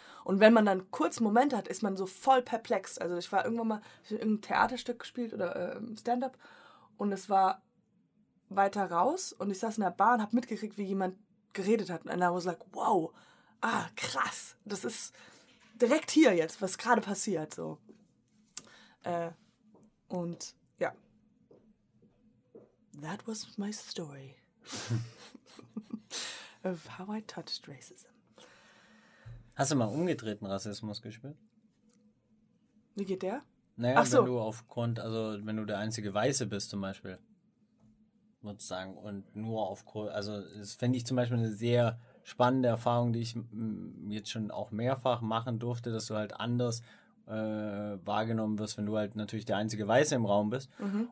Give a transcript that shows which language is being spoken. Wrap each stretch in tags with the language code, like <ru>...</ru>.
<de>Und wenn man dann kurz Moment hat, ist man so voll perplex. Also ich war irgendwann mal in einem Theaterstück gespielt oder Stand-up und es war weiter raus und ich saß in der Bahn, habe mitgekriegt, wie jemand geredet hat und</de> <en>I was like, wow,</en> <de>ah, krass, das ist direkt hier jetzt, was gerade passiert, so.</de> <en>Und that was my story of how I touched racism.</en> <de>Hast du mal umgedrehten Rassismus gespielt? Wie geht der? Naja, ach so. Wenn du aufgrund, also wenn du der einzige Weiße bist zum Beispiel, würde ich sagen, und nur aufgrund, also das fände ich zum Beispiel eine sehr spannende Erfahrung, die ich jetzt schon auch mehrfach machen durfte, dass du halt anders wahrgenommen wirst, wenn du halt natürlich der einzige Weiße im Raum bist. Mhm.</de>